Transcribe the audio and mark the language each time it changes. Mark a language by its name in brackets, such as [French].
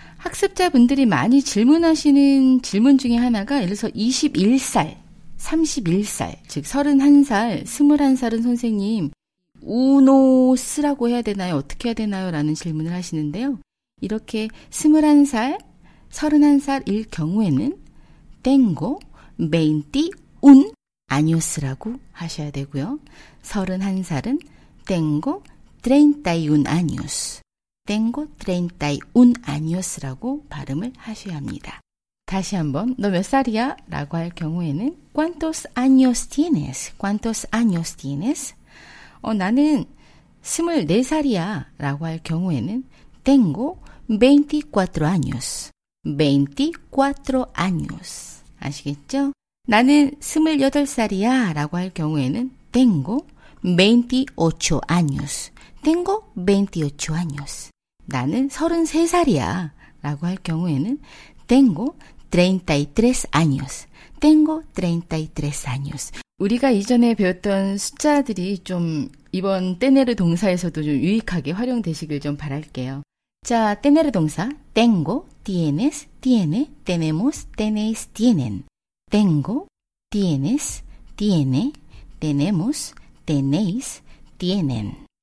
[Korean] 학습자분들이 많이 질문하시는 질문 중에 하나가 예를 들어서 21살, 31살, 즉 31살, 21살은 선생님 우노스라고 해야 되나요? 어떻게 해야 되나요? 라는 질문을 하시는데요. 이렇게 21살, 31살일 경우에는 [Spanish] tengo 21 años [Korean] 라고 하셔야 되고요. 31살은 [Spanish] tengo 31 años. tengo 31 años [Korean] 라고 발음을 하셔야 합니다. 다시 한번 너 몇 살이야? 라고 할 경우에는 [Spanish] ¿Cuántos años tienes? ¿Cuántos años tienes? [Korean] 나는 24살이야? 라고 할 경우에는 [Spanish] tengo 24 años. [Korean] 24 años. 아시겠죠? 나는 28살이야 라고 할 경우에는 [Spanish] Tengo 28 años. Tengo 28 años. [Korean] 나는 33살이야 라고 할 경우에는 [Spanish] Tengo 33 años. Tengo 33 años. [Korean] 우리가 이전에 배웠던 숫자들이 좀 이번 떼내르 동사에서도 좀 유익하게 활용되시길 좀 바랄게요. 자, tener 동사. [Spanish] Tengo, tienes, tiene, tenemos, tenéis, tienen. Tengo, tienes, tiene, tenemos, tenéis, tienen.